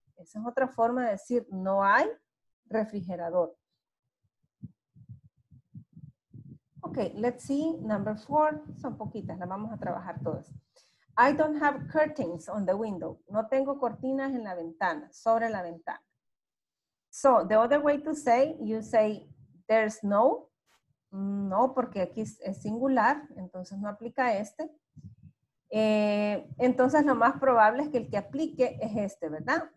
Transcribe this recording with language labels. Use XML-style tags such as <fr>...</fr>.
<es>Esa es otra forma de decir no hay refrigerador.</es> <en>Ok, let's see, number four,</en> <es>son poquitas, las vamos a trabajar todas.</es> <en>I don't have curtains on the window.</en> <es>No tengo cortinas en la ventana, sobre la ventana.</es> <en>So, the other way to say, you say, there's no.</en> <es>No, porque aquí es singular, entonces no aplica este. Entonces, lo más probable es que el que aplique es este, ¿verdad?</es>